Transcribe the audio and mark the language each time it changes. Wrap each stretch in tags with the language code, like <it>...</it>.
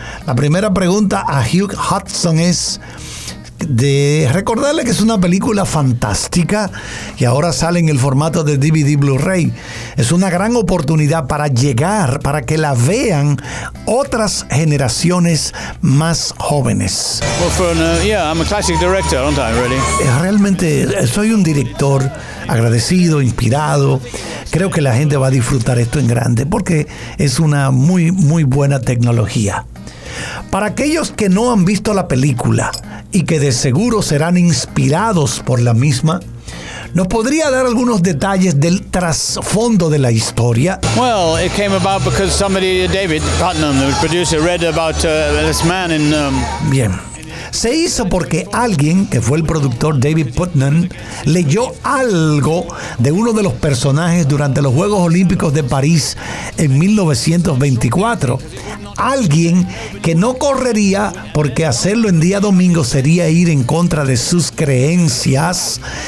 <es>La primera pregunta a Hugh Hudson es de recordarle que es una película fantástica y ahora sale en el formato de DVD Blu-ray. Es una gran oportunidad para llegar, para que la vean otras generaciones más jóvenes.</es> <en>Well, for an, yeah, I'm a classic director, aren't I, really?</en> <es>Realmente soy un director agradecido, inspirado. Creo que la gente va a disfrutar esto en grande porque es una muy, muy buena tecnología. Para aquellos que no han visto la película y que de seguro serán inspirados por la misma, ¿nos podría dar algunos detalles del trasfondo de la historia?</es> <en>Well, it came about because somebody, David Putnam, the producer, read about this man in.</en> <es>Bien. Se hizo porque alguien, que fue el productor David Putnam, leyó algo de uno de los personajes durante los Juegos Olímpicos de París en 1924. Alguien que no correría porque hacerlo en día domingo sería ir en contra de sus creencias.</es>